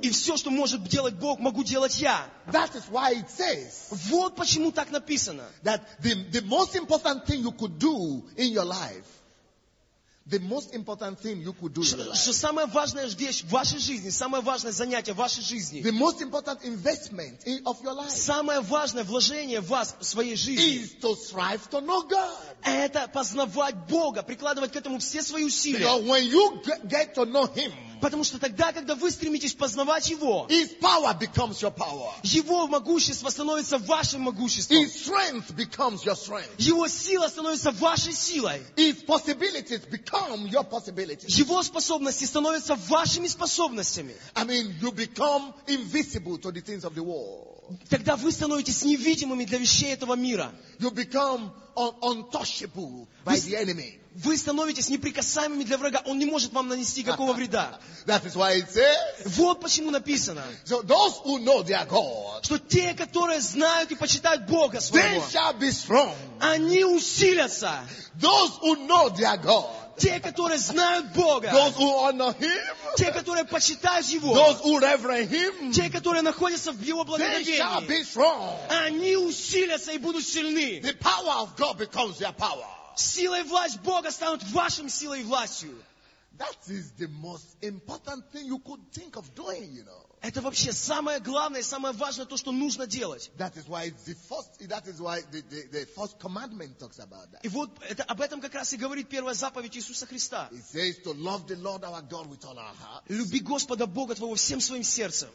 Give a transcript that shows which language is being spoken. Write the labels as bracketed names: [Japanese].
[Russian] И все, что может делать Бог, могу делать я. [English] That is why it says. [Russian] Вот почему так написано. [English] That the most important thing you could do in your life. The most important thing you could do in your life. [Russian] Что самая важная вещь в вашей жизни, самое важное занятие в вашей жизни. [English] The most important investment of your life. [Russian] Самое важное вложение в вас в своей жизни. [English] Is to strive to know God. [Russian] Это познавать Бога, прикладывать к этому все свои усилия. [English] Because when you get to know Him. [Russian] Потому что тогда, когда вы стремитесь познавать Его, [English] His power becomes your power. [Russian] Его могущество становится вашим могуществом. [English] His strength becomes your strength. [Russian] Его сила становится вашей силой. [English] His possibilities become your possibilities. [Russian] Его способности становятся вашими способностями. [English] I mean, you become invisible to the things of the world. [Russian] Тогда вы становитесь невидимыми для вещей этого мира. [English] You become untouchable by the enemy. [Russian] Вы становитесь неприкасаемыми для врага. Он не может вам нанести какого вреда. [English] That is why it says, [Russian] вот почему написано, [English] so those who know their God, [Russian] что те, которые знают и почитают Бога своего, [English] they shall be strong. [Russian] Они усилятся. [English] Those who know their God, [Russian] те, которые знают Бога, [English] those who honor Him, [Russian] те, которые почитают Его, [English] those who reverence Him, [Russian] те, которые находятся в Его благодарении, [English] they shall be strong. [Russian] Они усилятся и будут сильны. [English] The power of God becomes their power. [Russian] Сила и власть Бога станут вашим силой и властью. [English] That is the most important thing you could think of doing, you know. [Russian] Это вообще самое главное и самое важное то, что нужно делать. [English] That is why the first, that is why the first commandment talks about that. [Russian] И вот это об этом как раз и говорит первая заповедь Иисуса Христа. [English] It says to love the Lord our God with all our hearts. [Russian] Люби Господа Бога твоего всем своим сердцем.